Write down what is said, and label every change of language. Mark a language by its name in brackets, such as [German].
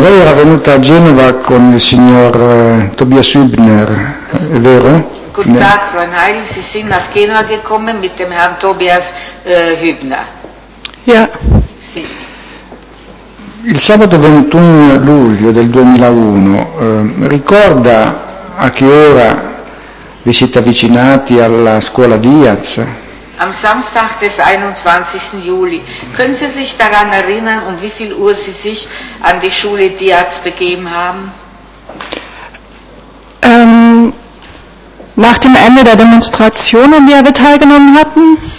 [Italian] Lei era venuta a Genova con il signor Tobias Hübner, è vero? [German] Guten Tag, Frau Heil. Sie sind nach Genua gekommen mit dem Herrn Tobias Hübner. Ja. [Italian] Sì. Il sabato 21 luglio del 2001, ricorda a che ora vi siete avvicinati alla scuola Diaz? [German] Am Samstag des 21. Juli. Können Sie sich daran erinnern, um wie viel Uhr Sie sich an die Schule Diaz begeben haben? Nach dem Ende der Demonstration, an der wir teilgenommen hatten?